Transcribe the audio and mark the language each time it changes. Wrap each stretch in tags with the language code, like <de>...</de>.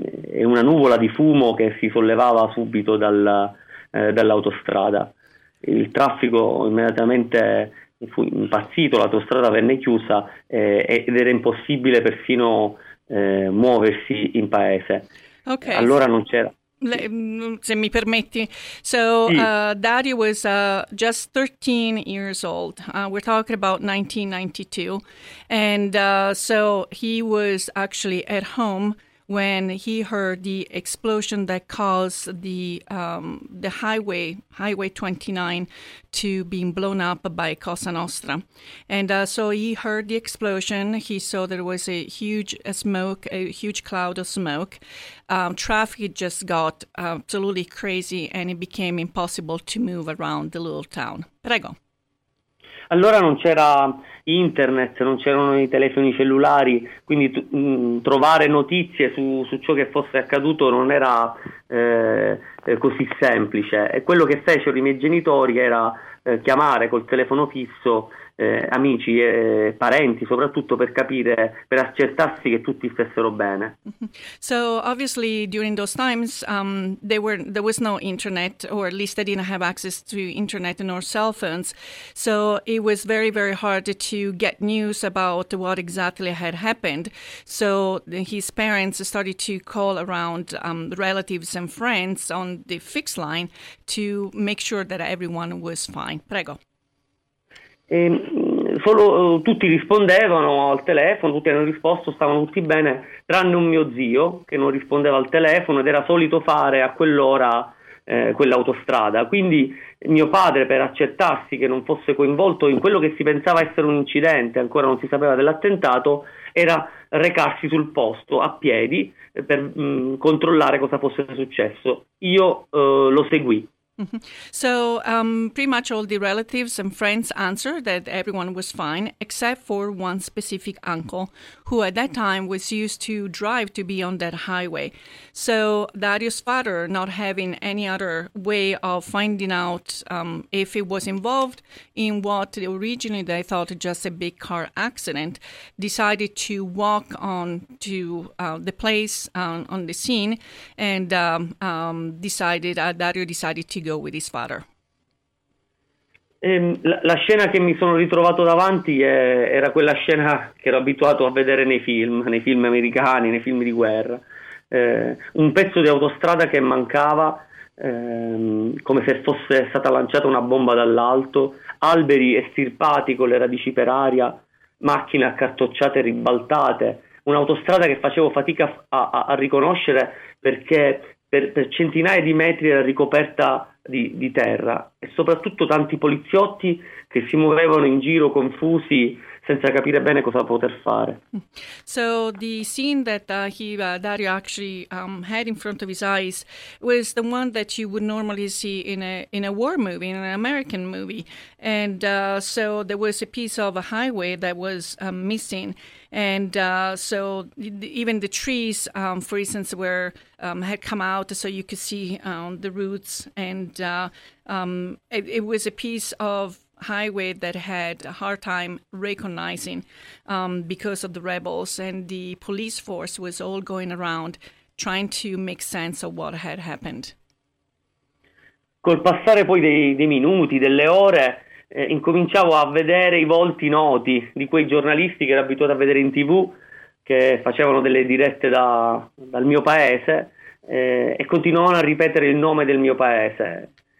<it>e una nuvola di fumo che si sollevava subito dall'autostrada. Il traffico immediatamente fu impazzito, l'autostrada venne chiusa ed era impossibile persino muoversi in paese.</it> <en>Okay.</en> <it>Allora non c'era. Se mi permetti,</it> <en>so daddy was just 13 years old, we're talking about 1992, and so he was actually at home when he heard the explosion that caused the highway 29 to being blown up by Cosa Nostra. And so he heard the explosion, he saw there was a huge cloud of smoke. Traffic just got absolutely crazy and it became impossible to move around the little town.</en> <it>Prego. Allora non c'era internet, non c'erano i telefoni cellulari, quindi trovare notizie su ciò che fosse accaduto non era così semplice. E quello che fecero i miei genitori era chiamare col telefono fisso amici e parenti, soprattutto per accertarsi che tutti stessero bene.</it> <en>So obviously during those times there was no internet, or at least they didn't have access to internet nor cell phones, so it was very, very hard to get news about what exactly had happened. So his parents started to call around relatives and friends on the fixed line to make sure that everyone was fine.</en> <it>Prego. E solo tutti rispondevano al telefono, tutti hanno risposto, stavano tutti bene, tranne un mio zio che non rispondeva al telefono ed era solito fare a quell'ora quell'autostrada. Quindi mio padre, per accertarsi che non fosse coinvolto in quello che si pensava essere un incidente, ancora non si sapeva dell'attentato, era recarsi sul posto a piedi per controllare cosa fosse successo. Io lo seguì. Mm-hmm.</it> <en>So pretty much all the relatives and friends answered that everyone was fine, except for one specific uncle, who at that time was used to drive to be on that highway. So Dario's father, not having any other way of finding out if he was involved in what originally they thought just a big car accident, decided to walk on to the place on the scene, and Dario decided to go with his father.</en> <it>La scena che mi sono ritrovato davanti era quella scena che ero abituato a vedere nei film americani, nei film di guerra. Un pezzo di autostrada che mancava, come se fosse stata lanciata una bomba dall'alto, alberi estirpati con le radici per aria, macchine accartocciate e ribaltate, un'autostrada che facevo fatica a riconoscere perché per centinaia di metri era ricoperta di terra, e soprattutto tanti poliziotti che si muovevano in giro confusi senza capire bene cosa poter fare.</it> <en>So the scene that Dario actually had in front of his eyes was the one that you would normally see in a war movie, in an American movie. And so there was a piece of a highway that was missing, and so even the trees, for instance, were had come out, so you could see the roots, and it was a piece of highway that had a hard time recognizing because of the rebels, and the police force was all going around trying to make sense of what had happened.</en> <it>Col passare poi dei minuti, delle ore, incominciavo a vedere i volti noti di quei giornalisti che ero abituato a vedere in TV, che facevano delle dirette dal mio paese, e continuavano a ripetere il nome del mio paese.</it>